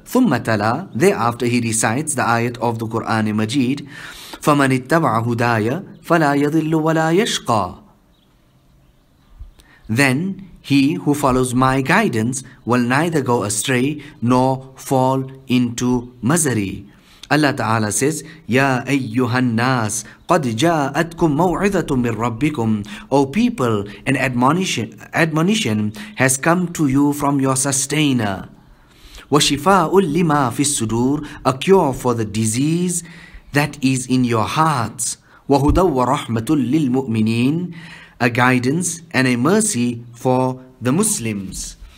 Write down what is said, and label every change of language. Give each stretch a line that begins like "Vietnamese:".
Arabic: ثُمَّ تَلَى.
English: Thereafter he recites the ayat of the Quran Majid.
Arabic: فَمَنِ اتَّبَعَ هُدَايَ فَلَا يَضِلُّ وَلَا يَشْقَى.
English: Then he who follows my guidance will neither go astray nor fall into misery. Allah Ta'ala says,
Arabic: يَا أَيُّهَا النَّاسِ قَدْ جَاءَتْكُمْ مَوْعِذَةٌ مِّن رَبِّكُمْ.
English: O people, an admonition has come to you from your sustainer.
Arabic: وَشِفَاءٌ لِمَا فِي الصُّدُورِ.
English: A cure for the disease that is in your hearts.
Arabic: وَهُدَى وَرَحْمَةٌ لِلْمُؤْمِنِينَ.
English: A guidance and a mercy for the Muslims.